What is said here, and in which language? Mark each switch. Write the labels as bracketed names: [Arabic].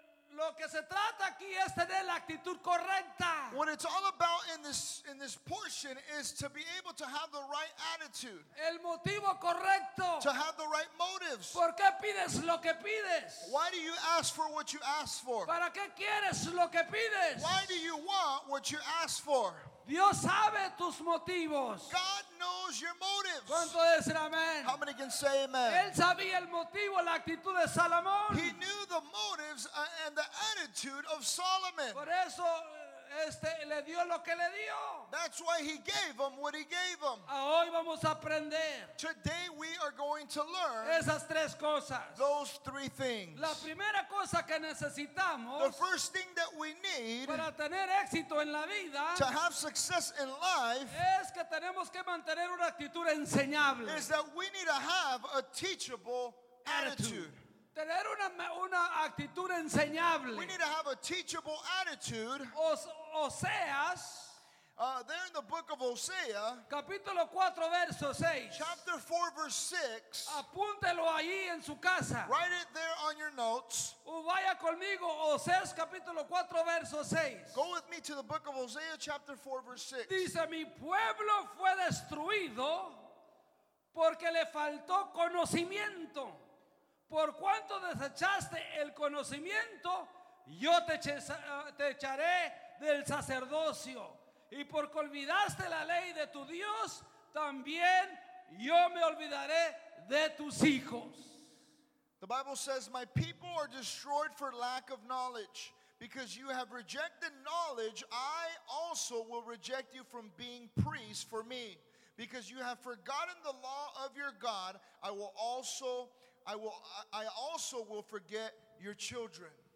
[Spanish] Lo que se trata aquí es tener la actitud correcta. [English] What it's all about in this portion is to be able to have the right attitude. [Spanish] El motivo correcto. [English] To have the right motives. [Spanish] ¿Por qué pides lo que pides? [English] Why do you ask for what you ask for? [Spanish] ¿Para qué quieres lo que pides? [English] Why do you want what you ask for? [Spanish] Dios sabe tus motivos. [English] God knows your motives. [Spanish] ¿Cuánto dicen amén? [English] How many can say amen? [Spanish] Él sabía el motivo, la actitud de Salomón. [English] He knew the motives and the attitude of Solomon. [Spanish] Por eso le dio lo que le dio. [English] That's why he gave him what he gave him. [Spanish] Hoy vamos a aprender. [English] Today we are going to learn [Spanish] esas tres cosas. [English] Those three things. [Spanish] La primera cosa que necesitamos, [English] the first thing that we need, [Spanish] para tener éxito en la vida, [English] to have success in life, [Spanish] es que tenemos que mantener una actitud enseñable. [English] Is that we need to have a teachable attitude. [Spanish] Tener una actitud enseñable. [English] We need to have a teachable attitude. [Spanish] Oseas. [English] There in the book of Hosea. [Spanish] Capítulo 4, verso 6. [English] Chapter 4, verse 6. [Spanish] Apúntelo ahí en su casa. [English] Write it there on your notes. [Spanish] O vaya conmigo, Oseas, capítulo 4, verso 6. [English] Go with me to the book of Hosea, chapter 4, verse 6. [Spanish] Dice, mi pueblo fue destruido porque le faltó conocimiento. Por cuanto desechaste el conocimiento, yo te echaré del sacerdocio. Y por que olvidaste la ley de tu Dios, también yo me olvidaré de tus hijos. [English] The Bible says, my people are destroyed for lack of knowledge. because you have rejected knowledge, I also will reject you from being priests for me. Because you have forgotten the law of your God, I also will forget your children.